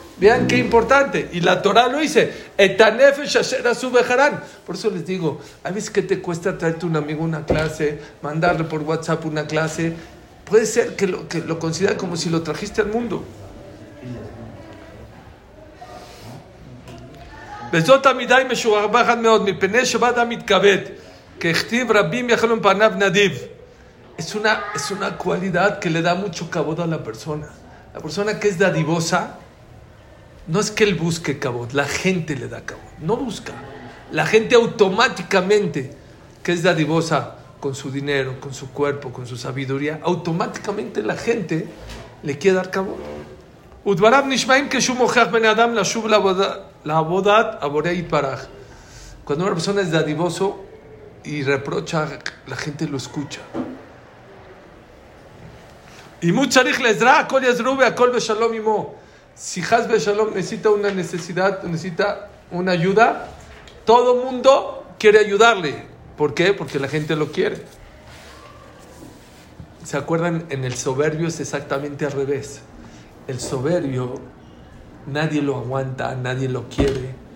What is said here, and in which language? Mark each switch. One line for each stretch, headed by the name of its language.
Spanish: Vean qué importante. Y la Torah lo dice.
Hebrew: Etanefesh asher asu beharan.
Spanish: Por eso les digo, ¿a veces qué te cuesta traerte un amigo a una clase, mandarle por WhatsApp una clase? Puede ser que lo considera como si lo trajiste al mundo.
Hebrew: וזאת המידה היא משורבחת מאוד, מפני שבת המתכבד, ככתיב רבים יחלו מפניו נדיב.
Spanish: Es una cualidad que le da mucho cabot a la persona. La persona que es dadivosa, no es que él busque cabot, la gente le da cabot, no busca. La gente automáticamente que es dadivosa con su dinero, con su cuerpo, con su sabiduría, automáticamente la gente le quiere dar cabot.
Hebrew: ודבריו נשמעים כשהוא מוכח בן אדם לשוב לעבודת עבורי יתברך.
Spanish: Cuando una persona es dadivoso y reprocha, la gente lo escucha.
Hebrew: אם הוא צריך לעזרה, הכל יעזרו והכל בשלום עמו.
Spanish: Si has בשלום, necesita una necesidad, necesita una ayuda, todo mundo quiere ayudarle. ¿Por qué? Porque la gente lo quiere. ¿Se acuerdan? En el soberbio es exactamente al revés. El soberbio, nadie lo aguanta, nadie lo quiere.